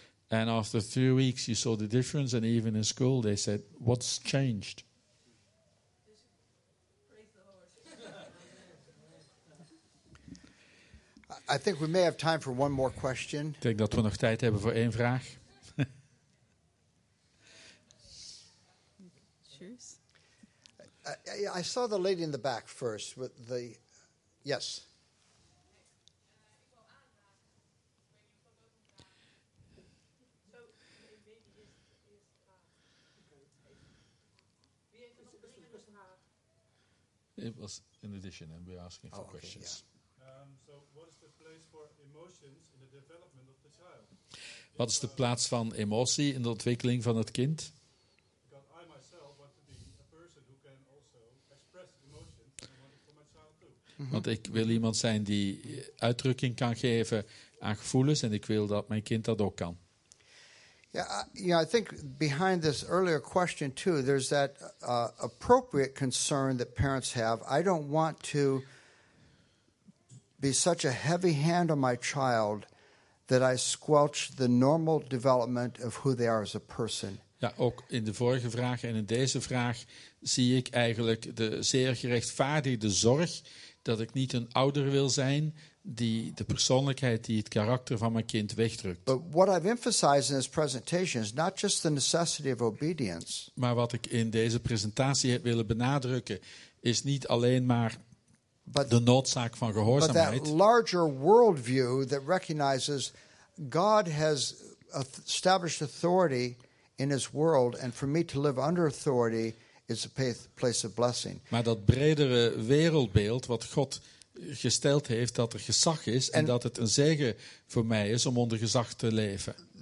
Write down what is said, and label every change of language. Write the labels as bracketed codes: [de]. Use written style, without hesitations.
[en] And after 3 weeks, you saw the difference, and even in school, they said, what's changed? I think we may have time for one more question. [nl] Ik denk dat we nog tijd hebben voor één vraag. [en] Cheers. I saw the lady in the back first with the... Yes. So, maybe this is It was in addition, and we're asking for questions. Yeah. So what is the place for emotions in the development of the child? [nl] Wat is de plaats van emotie in de ontwikkeling van het kind? [en] Because I myself want to be a person who can also express emotions and want it for my child too. Mm-hmm. [nl] Want ik wil iemand zijn die uitdrukking kan geven aan gevoelens, en ik wil dat mijn kind dat ook kan. [en] Yeah, I think behind this earlier question too, there's that appropriate concern that parents have. I don't want to be such a heavy hand on my child that I squelch the normal development of who they are as a person. [nl] Ja, ook in de vorige vraag en in deze vraag zie ik eigenlijk de zeer gerechtvaardigde zorg dat ik niet een ouder wil zijn die de persoonlijkheid, die het karakter van mijn kind wegdrukt. [en] But what I've emphasized in this presentation is not just the necessity of obedience. [nl] Maar wat ik in deze presentatie heb willen benadrukken is niet alleen maar de noodzaak van gehoorzaamheid. [en] But that larger worldview that recognizes God has established authority in his world, and for me to live under authority is a place of blessing. [nl] Maar dat bredere wereldbeeld wat God gesteld heeft, dat er gezag is en dat het een zegen voor mij is om onder gezag te leven.